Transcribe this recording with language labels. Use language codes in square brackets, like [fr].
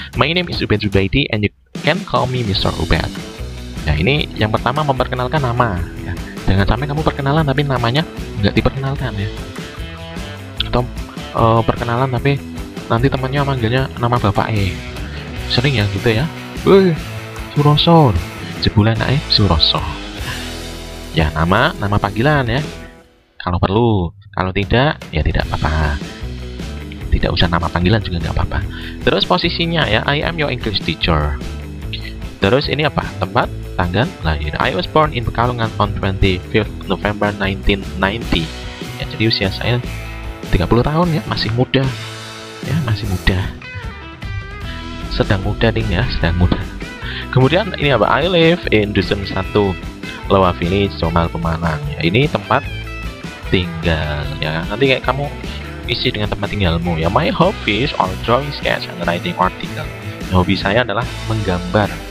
[en] My name is Ubed Zubaydi, and you can call me Mr. Ubed. [id] Nah, ini yang pertama memperkenalkan nama. Ya. Jangan sampai kamu perkenalan, tapi namanya nggak diperkenalkan ya. Atau perkenalan, tapi nanti temannya manggilnya nama bapak E. Sering ya gitu ya. [jv] Woi, Suroso. Jebulan ae Suroso. [id] Ya, nama panggilan ya. Kalau perlu, kalau tidak ya tidak apa-apa. Tidak usah nama panggilan juga enggak apa-apa. Terus posisinya ya, [en] I am your English teacher. [id] Terus ini apa? Tempat, tanggal lahir. [en] I was born in Pekalongan on 25th November 1990. [id] Ya, jadi usia saya 30 tahun ya, masih muda. Ya, masih muda. Sedang muda. Kemudian ini apa? [en] I live in Dusun 1, Lewa Village, Somal, Pemalang. [id] Ya, ini tempat tinggal ya. Nanti kayak kamu isi dengan tempat tinggalmu ya. [en] My hobbies are drawing, sketch, and writing article. [id] Ya, hobi saya adalah menggambar.